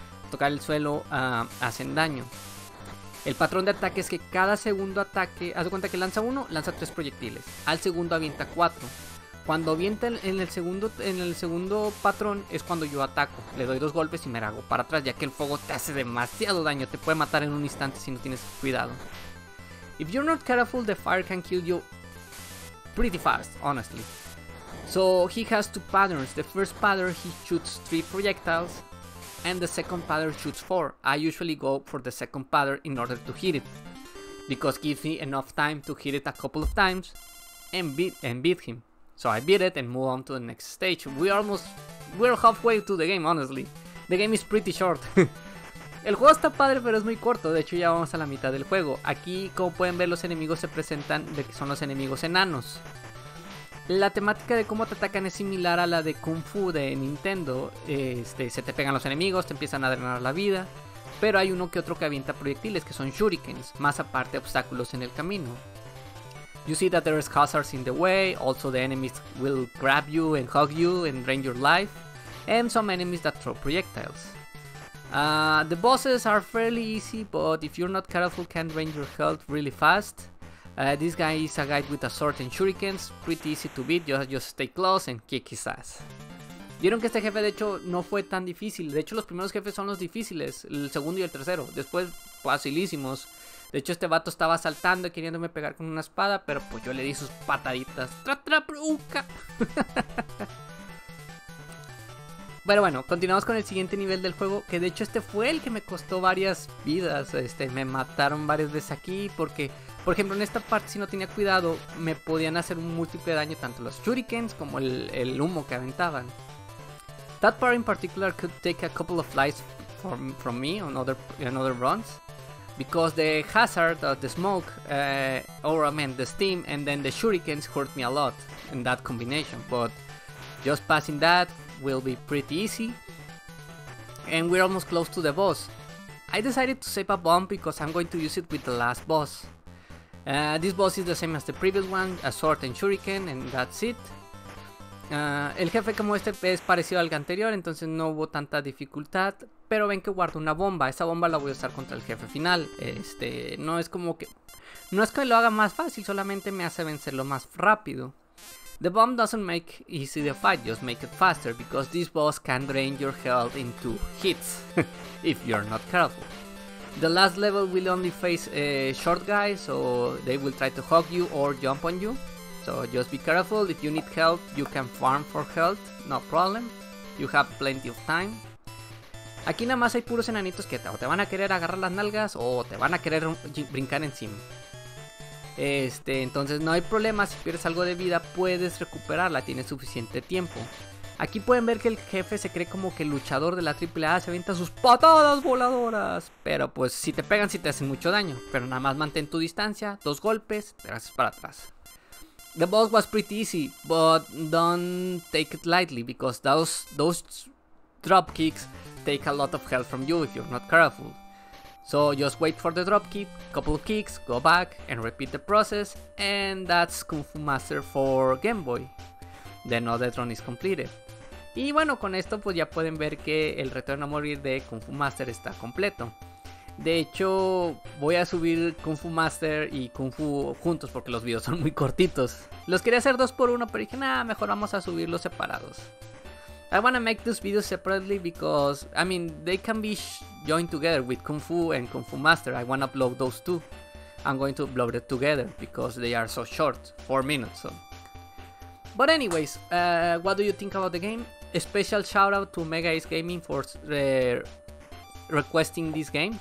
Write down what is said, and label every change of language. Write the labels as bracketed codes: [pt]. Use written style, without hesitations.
[es] Tocar el suelo hacen daño. El patrón de ataque es que cada segundo ataque, haz de cuenta que lanza uno, lanza 3 proyectiles. Al segundo avienta 4. Cuando avienta en el segundo patrón es cuando yo ataco. Le doy 2 golpes y me hago para atrás, ya que el fuego te hace demasiado daño. Te puede matar en un instante si no tienes cuidado. [en] If you're not careful, the fire can kill you pretty fast, honestly. So he has 2 patterns. The first pattern he shoots 3 projectiles. And the second pattern shoots 4. I usually go for the second pattern in order to hit it, because it gives me enough time to hit it a couple of times and beat him. So I beat it and move on to the next stage. We're halfway to the game, honestly. The game is pretty short. [es] El juego está padre, pero es muy corto. De hecho, ya vamos a la mitad del juego. Aquí, como pueden ver, los enemigos se presentan de que son los enemigos enanos. La temática de cómo te atacan es similar a la de Kung Fu de Nintendo. Se te pegan los enemigos, te empiezan a drenar la vida. Pero hay uno que otro que avienta proyectiles, que son shurikens. Más aparte, obstáculos en el camino. [en] You see that there is hazards in the way. Also, the enemies will grab you and hug you and drain your life. And some enemies that throw projectiles. The bosses are fairly easy, but if you're not careful, can drain your health really fast. This guy is a guy with a sword and shurikens, pretty easy to beat, just stay close and kick his ass. [es] Vieron que este jefe de hecho no fue tan difícil, de hecho los primeros jefes son los difíciles, el segundo y el tercero, después facilísimos. De hecho este vato estaba saltando y queriéndome pegar con una espada, pero pues yo le di sus pataditas. ¡Tra, tra, bruca! Pero bueno, continuamos con el siguiente nivel del juego, que de hecho este fue el que me costó varias vidas. Me mataron varias veces aquí porque, por ejemplo, en esta parte, si no tenía cuidado, me podían hacer un múltiple daño tanto los shurikens como el humo que aventaban. [en] That part in particular could take a couple of lives from me on other runs, because the hazard of the smoke, or I mean the steam, and then the shurikens hurt me a lot in that combination. But just passing that will be pretty easy, and we're almost close to the boss. I decided to save a bomb because I'm going to use it with the last boss. This boss is the same as the previous one, a sword and shuriken, and that's it. [es] El jefe como este es parecido al anterior, entonces no hubo tanta dificultad, pero ven que guardo una bomba. Esa bomba la voy a usar contra el jefe final. No es como que... no es que lo haga más fácil, solamente me hace vencerlo más rápido. [en] The bomb doesn't make easy the fight, just make it faster, because this boss can drain your health in 2 hits, if you're not careful. The last level will only face short guys, so they will try to hug you or jump on you. So just be careful. If you need help, you can farm for health, no problem. You have plenty of time. [es] Aquí nada más hay puros enanitos que te van a querer agarrar las nalgas o te van a querer brincar encima. Entonces no hay problema, si pierdes algo de vida puedes recuperarla, tienes suficiente tiempo. Aquí pueden ver que el jefe se cree como que el luchador de la AAA, se avienta sus patadas voladoras. Pero pues si te pegan, sí te hacen mucho daño, pero nada más mantén tu distancia, 2 golpes, te haces para atrás. [en] The boss was pretty easy, but don't take it lightly, because those drop kicks take a lot of health from you if you're not careful. So just wait for the dropkick, couple of kicks, go back and repeat the process, and that's Kung Fu Master for Game Boy. The Another Run is completed. [es] Y bueno, con esto pues ya pueden ver que el retorno a morir de Kung Fu Master está completo. De hecho, voy a subir Kung Fu Master y Kung Fu juntos porque los videos son muy cortitos. Los quería hacer 2x1, pero dije, nah, mejor vamos a subirlos separados. [en] I wanna make these videos separately because, I mean, they can be joined together with Kung Fu and Kung Fu Master. I wanna upload those two. I'm going to upload it together because they are so short, 4 minutes. So. But anyways, what do you think about the game? A special shout out to Mega Ace Gaming for requesting this game.